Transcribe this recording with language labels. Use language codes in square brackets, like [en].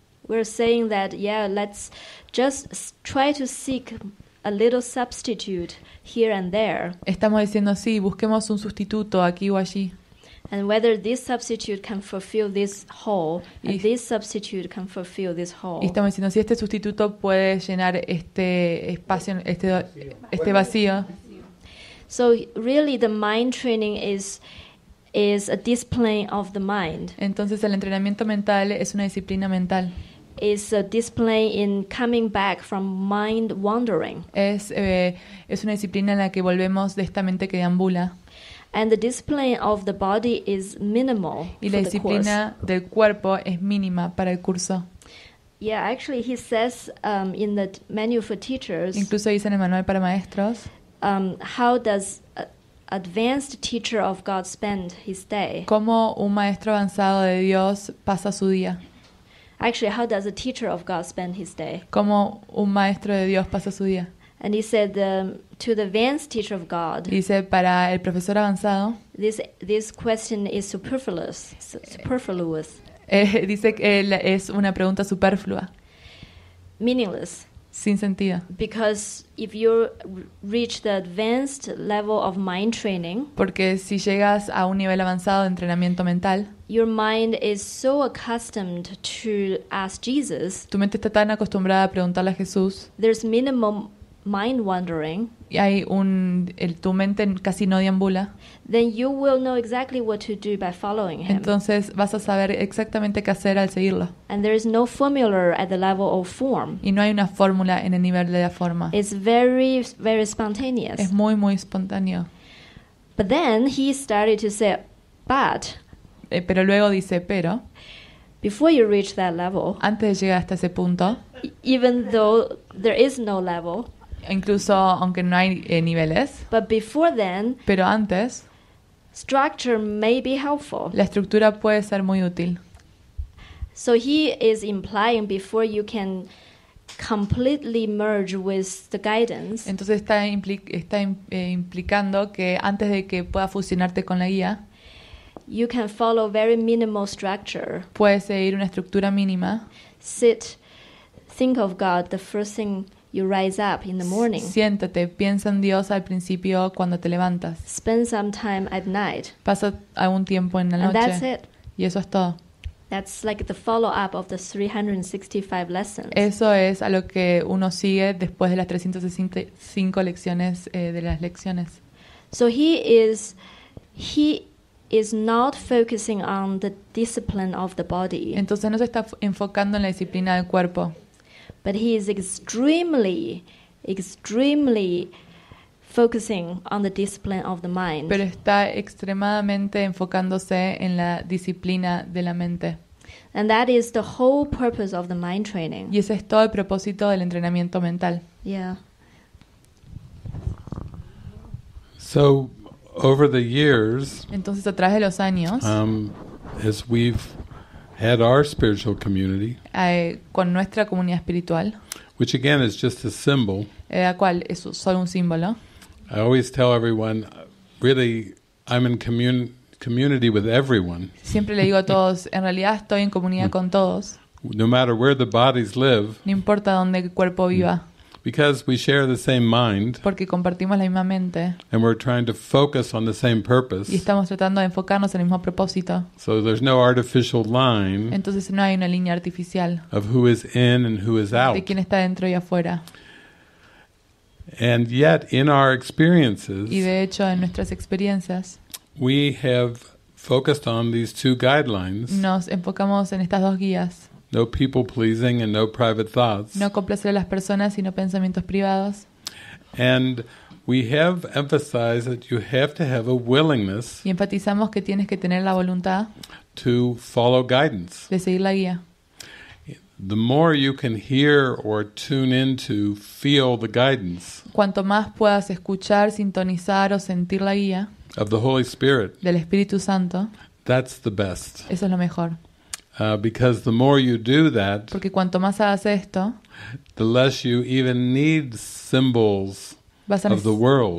[en] We're saying that, yeah, let's just try to seek a little substitute here and there. [es] Estamos diciendo, sí, busquemos un sustituto aquí o allí. [en] And whether this substitute can fulfill this hole, and this substitute can fulfill this hole. [es] Y estamos diciendo, si este sustituto puede llenar este espacio, este vacío. [en] So really the mind training is a discipline of the mind. [es] Entonces el entrenamiento mental es una disciplina mental. [en] Is a discipline in coming back from mind wandering. [es] Es una disciplina en la que volvemos de esta mente que deambula. [en] And the discipline of the body is minimal. [es] Y la disciplina del cuerpo es mínima para el curso. [en] Yeah, actually he says in the manual for teachers. [es] Incluso dice en el manual para maestros. [en] How does advanced teacher of God spend his day? [es] ¿Cómo un maestro avanzado de Dios pasa su día? [en] Actually, how does a teacher of God spend his day? [es] ¿Cómo un maestro de Dios pasa su día? [en] And he said to the advanced teacher of God. [es] Dice para el profesor avanzado. [en] This question is superfluous. Superfluous. [es] Dice que es una pregunta superflua. [en] Meaningless. [es] Sin sentido. [en] Because if you reach the advanced level of mind training. [es] Porque si llegas a un nivel avanzado de entrenamiento mental. [en] Your mind is so accustomed to ask Jesus. [es] Tu mente está tan acostumbrada a preguntarle a Jesús. [en] There's minimum mind wandering. [es] Y hay tu mente casi no deambula. [en] Then you will know exactly what to do by following him. [es] Entonces vas a saber exactamente qué hacer al seguirlo. [en] And there is no formula at the level of form. [es] Y no hay una fórmula en el nivel de la forma. [en] It's very, very spontaneous. [es] Es muy, muy espontáneo. [en] But then he started to say, but. [es] Pero luego dice, pero. [en] Before you reach that level. [es] Antes de llegar hasta ese punto. [en] Even though there is no level. [es] Incluso aunque no hay niveles. [en] But before then, [es] pero antes, [en] structure may be helpful. [es] La estructura puede ser muy útil. [en] So he is implying before you can completely merge with the guidance. [es] Entonces está implicando que antes de que pueda fusionarte con la guía, [en] you can follow very minimal structure. [es] Puedes seguir una estructura mínima. [en] Sit, think of God, the first thing. You rise up in the morning. [es] Siéntate, piensa en Dios al principio cuando te levantas. [en] Spend some time at night. [es] Pasa algún tiempo en la noche. [en] And that's it. [es] Y eso es todo. [en] That's like the follow-up of the 365 lessons. [es] Eso es a lo que uno sigue después de las 365 lecciones de las lecciones. [en] So he is not focusing on the discipline of the body. [es] Entonces no se está enfocando en la disciplina del cuerpo. [en] But he is extremely, extremely focusing on the discipline of the mind. [es] Pero está extremadamente enfocándose en la disciplina de la mente. [en] And that is the whole purpose of the mind training. [es] Y ese es todo el propósito del entrenamiento mental. [en] Yeah. So, over the years. [es] Entonces, a través de los años. [en] As we've had our spiritual community, [es] con nuestra comunidad espiritual, [en] which again is just a symbol, [es] la cual es solo un símbolo. [en] I always tell everyone, really, I'm in community with everyone. [es] Siempre le digo a todos, en realidad estoy en comunidad con todos. [en] No matter where the bodies live, [es] no importa dónde el cuerpo viva, [en] because we share the same mind, [es] porque compartimos la misma mente, [en] and we're trying to focus on the same purpose, [es] y estamos tratando de enfocarnos en el mismo propósito. [en] So there's no artificial line, [es] entonces no hay una línea artificial, [en] of who is in and who is out, [es] de quién está dentro y afuera. [en] And yet in our experiences, [es] y de hecho en nuestras experiencias, [en] we have focused on these two guidelines, [es] nos enfocamos en estas dos guías. [en] No people pleasing and no private thoughts. [es] No complacer a las personas y no pensamientos privados. [en] And we have emphasized that you have to have a willingness. [es] Y enfatizamos que tienes que tener la voluntad. [en] To follow guidance. [es] De seguir la guía. [en] The more you can hear or tune into, feel the guidance. [es] Cuanto más puedas escuchar, sintonizar o sentir la guía. [en] Of the Holy Spirit. [es] Del Espíritu Santo. [en] That's the best. [es] Eso es lo mejor. [en] Because the more you do that, [es] porque cuanto más hagas esto, [en] the less you even need symbols of the world.